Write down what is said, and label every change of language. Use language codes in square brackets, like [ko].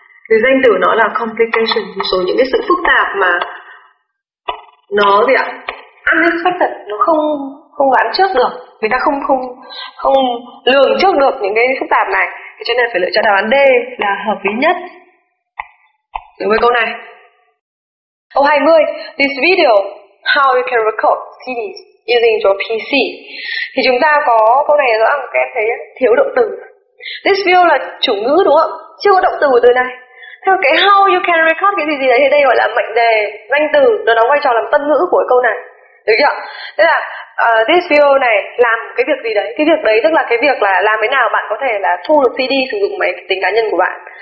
[vi] Từ danh từ nó là complication, số những cái sự phức tạp mà nó gì ạ? Unexpected, nó không đoán trước được, người ta không lường trước được những cái phức tạp này, cho nên phải lựa chọn đáp án D là hợp lý nhất. Đối với câu này. Câu 20, [en] this video how you can record CDs using your PC. [vi] Thì chúng ta có câu này rõ ràng các em thấy thiếu động từ. This video là chủ ngữ đúng không? Chưa có động từ của từ này. Theo cái [en] how you can record [vi] cái gì đấy thì đây gọi là mệnh đề, danh từ, nó đóng vai trò làm tân ngữ của câu này. Được chưa? Thế là this video này làm cái việc gì đấy? Cái việc đấy tức là cái việc là làm thế nào bạn có thể là thu được CD sử dụng máy tính cá nhân của bạn.